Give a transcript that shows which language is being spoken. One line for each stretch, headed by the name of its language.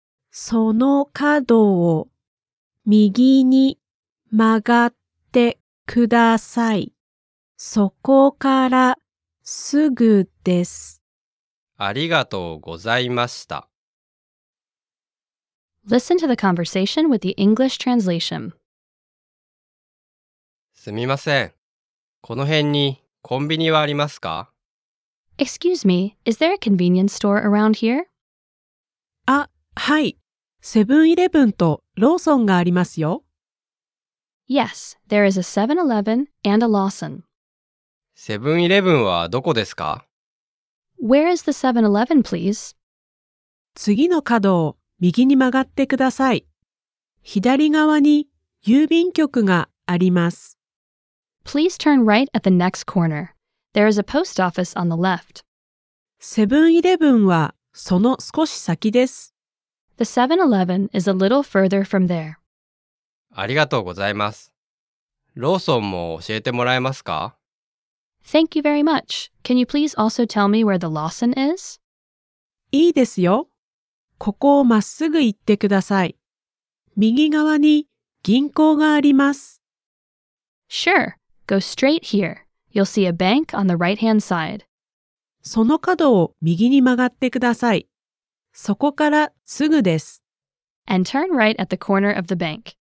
Japanese: その角を右に曲がってください。そこからすぐです。ありがとうございました。
English: Listen to the conversation with the English translation.
Japanese: すみません。この辺にコンビニはありますか？
English: Excuse me, is there a convenience store around here?
Japanese: あ、はい。セブンイレブンとローソンがありますよ。
English: Yes, there is a 7-Eleven and a Lawson.
Japanese: セブンイレブンはどこですか？
English: Where is the 7-Eleven, please?
Japanese: 次の角を右に曲がってください。左側に郵便局があります。
English: Please turn right at the next corner. There is a post office on the left.
Japanese: セブンイレブンはその少し先です。
English: The 7-Eleven is a little further from there.
Japanese: ありがとうございます。ローソンも教えてもらえますか？
English: Thank you very much. Can you please also tell me where the Lawson is?
Japanese: いいですよ。ここをまっすぐ行ってください。右側に銀行があります。
English: Sure. Go straight here. You'll see a bank on the right-hand side.
Japanese: その角を右に曲がってください。そこからすぐです。
English: And turn right at the corner of the bank.